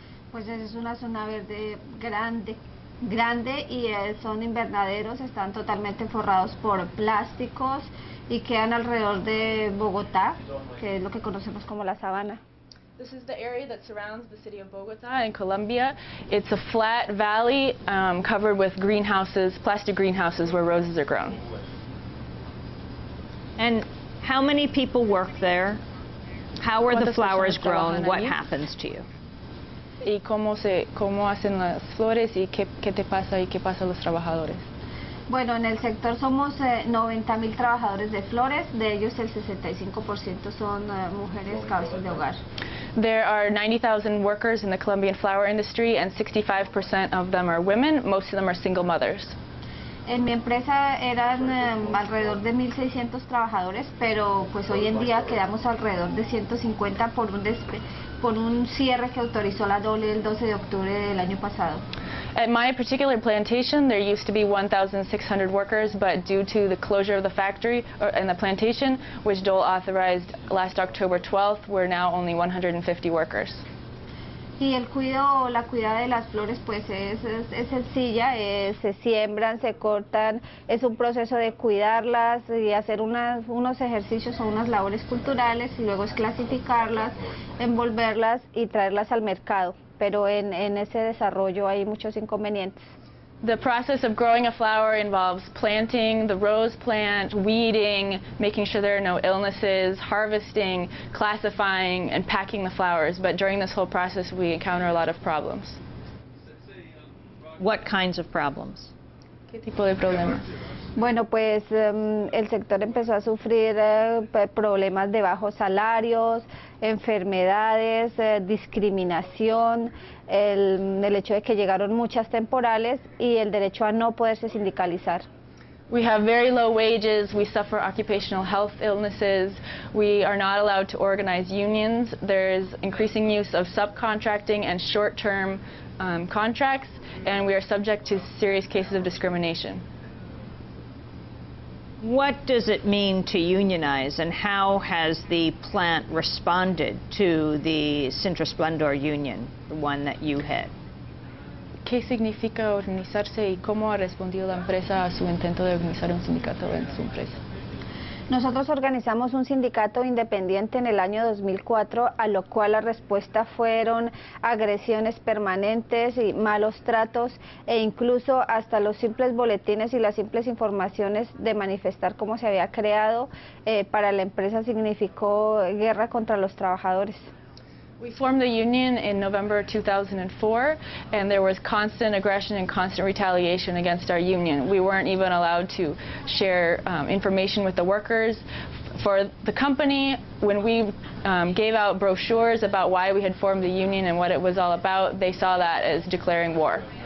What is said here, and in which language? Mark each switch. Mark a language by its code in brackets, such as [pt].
[es] Pues es una zona verde grande, grande, y son invernaderos, están totalmente forrados por plásticos y quedan alrededor de Bogotá, que es lo que conocemos como la sabana. [en] This is the area that surrounds the city of Bogotá in Colombia. It's a flat valley covered with greenhouses, plastic greenhouses, where roses are grown. And how many people work there? How are the flowers grown? What happens to you? [es] Y cómo hacen las flores y qué te pasa y qué pasa a los trabajadores. Bueno, en el sector somos 90,000 trabajadores de flores. De ellos, el 65% son mujeres cabezas de hogar. [en] There are 90,000 workers in the Colombian flower industry, and 65% of them are women. Most of them are single mothers. [es] En mi empresa eran alrededor de 1,600 trabajadores, pero pues hoy en día quedamos alrededor de 150 por un cierre que autorizó la Dole el 12 de octubre del año pasado. [en] At my particular plantation, there used to be 1,600 workers, but due to the closure of the factory and the plantation, which Dole authorized last October 12th, we're now only 150 workers. [es] Y el cuidado o la cuidada de las flores, pues es sencilla, se siembran, se cortan, es un proceso de cuidarlas y hacer unos ejercicios o unas labores culturales, y luego es clasificarlas, envolverlas y traerlas al mercado. Pero en ese desarrollo hay muchos inconvenientes. [en] The process of growing a flower involves planting the rose plant, weeding, making sure there are no illnesses, harvesting, classifying, and packing the flowers. But during this whole process, we encounter a lot of problems. What kinds of problems? [es] ¿Qué tipo de problemas? Bueno, pues el sector empezó a sufrir problemas de bajos salarios, enfermedades, discriminación, el hecho de que llegaron muchas temporales y el derecho a no poderse sindicalizar. [en] We have very low wages, we suffer occupational health illnesses, we are not allowed to organize unions, there is increasing use of subcontracting and short-term contracts, and we are subject to serious cases of discrimination. What does it mean to unionize, and how has the plant responded to the Sintrasplendor Union, the one that you head? [es] ¿Qué significa organizarse y cómo ha respondido la empresa a su intento de organizar un sindicato en su empresa? Nosotros organizamos un sindicato independiente en el año 2004, a lo cual la respuesta fueron agresiones permanentes y malos tratos, e incluso hasta los simples boletines y las simples informaciones de manifestar cómo se había creado para la empresa significó guerra contra los trabajadores. [en] We formed the union in November 2004, and there was constant aggression and constant retaliation against our union. We weren't even allowed to share information with the workers. For the company, when we gave out brochures about why we had formed the union and what it was all about, they saw that as declaring war.